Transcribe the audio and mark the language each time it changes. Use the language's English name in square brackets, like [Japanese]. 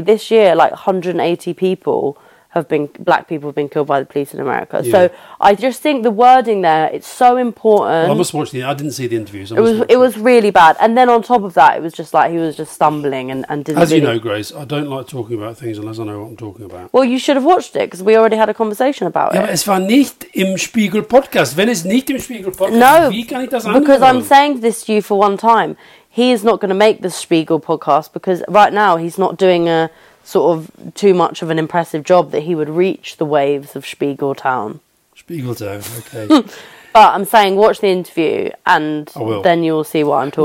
[English] This year, like, 180 people have been, black people have been killed by the police in America. Yeah. So I just think the wording there, it's so important. Well, I must watch the, I didn't see the interviews. It was really bad. And then on top of that, it was just like, he was just stumbling and didn't. As you know, Grace, I don't like talking about things unless I know what I'm talking about. Well, you should have watched it, because we already had a conversation about it. [German] Ja, aber es war nicht im Spiegel Podcast. Wenn es nicht im Spiegel Podcast, [English] no, [German] wie kann ich das [English] because [German] anhören? [English] I'm saying this to you for one time. He is not going to make the Spiegel Podcast, because right now he's not doing a sort of too much of an impressive job that he would reach the waves of Spiegeltown. Spiegeltown, okay. But I'm saying watch the interview and then you'll see what I'm talking about.